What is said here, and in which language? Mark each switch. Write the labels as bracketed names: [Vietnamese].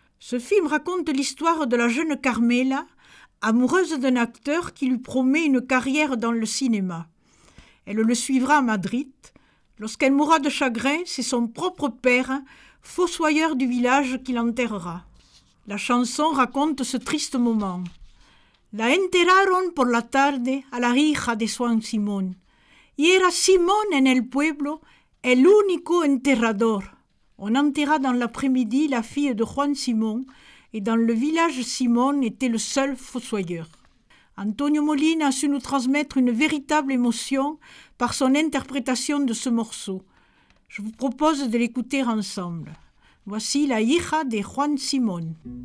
[French] Ce film raconte l'histoire de la jeune Carmela, amoureuse d'un acteur qui lui promet une carrière dans le cinéma. Elle le suivra à Madrid. Lorsqu'elle mourra de chagrin, c'est son propre père, fossoyeur du village, qui l'enterrera. La chanson raconte ce triste moment. [Spanish] La enterraron por la tarde a la hija de Juan Simón. Y era Simón en el pueblo el único enterrador. [French] On enterra dans l'après-midi la fille de Juan Simón et dans le village Simón était le seul fossoyeur. Antonio Molina a su nous transmettre une véritable émotion par son interprétation de ce morceau. Je vous propose de l'écouter ensemble. Voici la hija de Juan Simón.